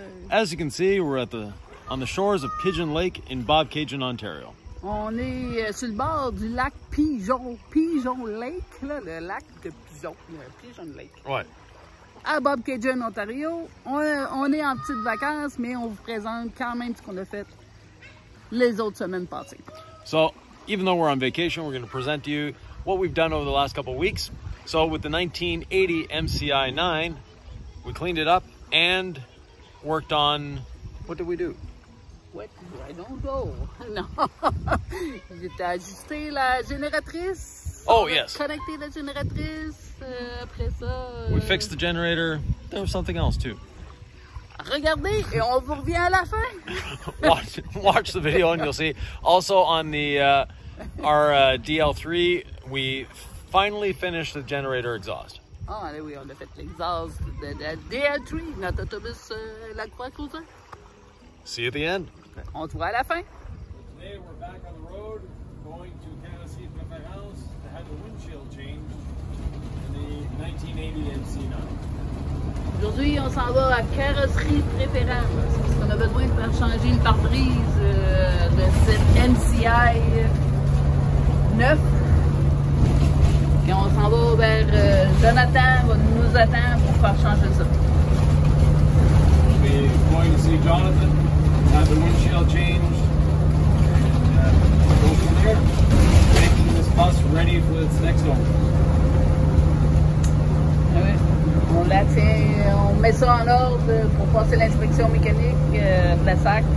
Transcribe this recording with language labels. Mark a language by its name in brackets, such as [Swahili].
[English] As you can see, we're at the on the shores of Pigeon Lake in Bob Cajun, Ontario. [French] On est sur le bord du lac Pigeon Lake, là, le lac de Pigeon Lake. Ouais. À Bob Cajun, Ontario. On est en petite vacances, mais on vous présente quand même ce qu'on a fait les autres semaines passées. [English] So, even though we're on vacation, we're going to present to you what we've done over the last couple of weeks. So, with the 1980 MCI9, we cleaned it up and worked on... What did we do? What? I don't know. No. [French] J'ai ajusté la génératrice. [English] Oh, yes. [French] Connecté la génératrice. Après ça... [English] We fixed the generator. There was something else, too. [French] Regardez, et on vous revient à la fin. [English] watch the video and you'll see. Also, on the our DL3, we finally finished the generator exhaust. [French] Ah, oh, allez, oui, on a fait l'exhaust de la DL3, notre autobus Lacroix. [English] See you at the end. [French] Okay. On se voit à la fin. [English] Today, we're back on the road, going to Carrosserie Preferance to have the windshield changed in the 1980 MC9. [French] Aujourd'hui, on s'en va à Carrosserie Préférence parce qu'on a besoin de faire changer le pare-brise de cette MCI 9. Et on s'en va vers Jonathan, va nous attendre pour faire changer ça. [English] We'll be going to see Jonathan, have the windshield changed. Go from there, making this bus ready for its next one. [French] On met ça en ordre pour passer l'inspection mécanique de la sac.